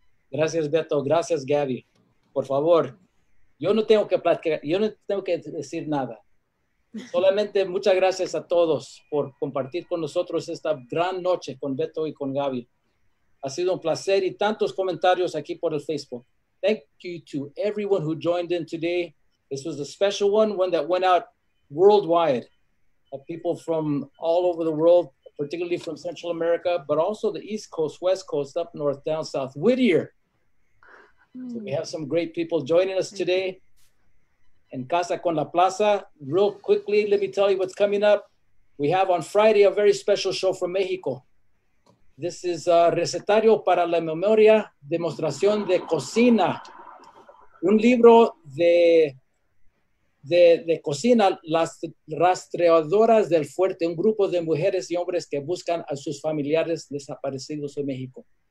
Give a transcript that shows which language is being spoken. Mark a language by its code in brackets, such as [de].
[es] Gracias, Beto. Gracias, Gaby. Por favor, yo no tengo que decir nada. Solamente muchas gracias a todos por compartir con nosotros esta gran noche con Beto y con Gaby. Ha sido un placer y tantos comentarios aquí por el Facebook. [en] Thank you to everyone who joined in today. This was a special one that went out worldwide. People from all over the world, particularly from Central America, but also the East Coast, West Coast, up north, down south, Whittier. So we have some great people joining us today. En Casa con la Plaza. Real quickly, let me tell you what's coming up. We have on Friday a very special show from Mexico. This is Recetario para la Memoria, Demostración de Cocina. [es] Un libro de cocina, Las Rastreadoras del Fuerte, un grupo de mujeres y hombres que buscan a sus familiares desaparecidos en México.